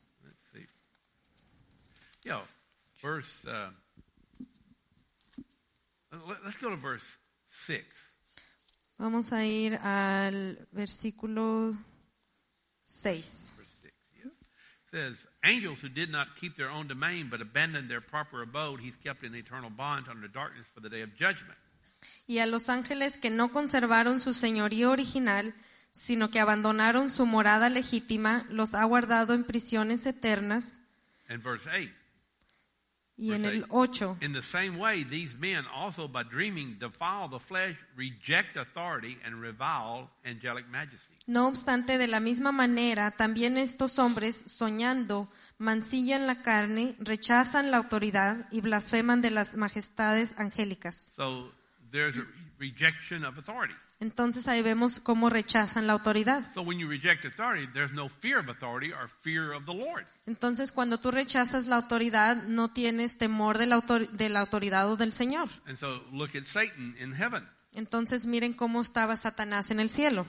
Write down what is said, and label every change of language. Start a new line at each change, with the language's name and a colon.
English: Let's see. Yeah, let's go to verse 6.
Spanish: Vamos a ir al versículo 6.
English: Yeah. It says, angels who did not keep their own domain but abandoned their proper abode, he's kept in eternal bond under darkness for the day of judgment.
Spanish: Y a los ángeles que no conservaron su señorío original, sino que abandonaron su morada legítima, los ha guardado en prisiones eternas.
English: And verse 8.
Spanish: Y en el 8.
English: In the same way, these men also by dreaming defile the flesh, reject authority, and revile angelic majesty.
Spanish: No obstante, de la misma manera, también estos hombres, soñando, mancillan la carne, rechazan la autoridad, y blasfeman de las majestades angélicas.
English: So, there's a rejection of authority.
Spanish: Entonces ahí vemos cómo rechazan la autoridad.
English: So when you reject authority, there's no fear of authority or fear of the Lord.
Spanish: Entonces cuando tú rechazas la autoridad, no tienes temor de la autoridad o del Señor.
English: And so look at Satan in heaven.
Spanish: Entonces miren cómo estaba Satanás en el cielo.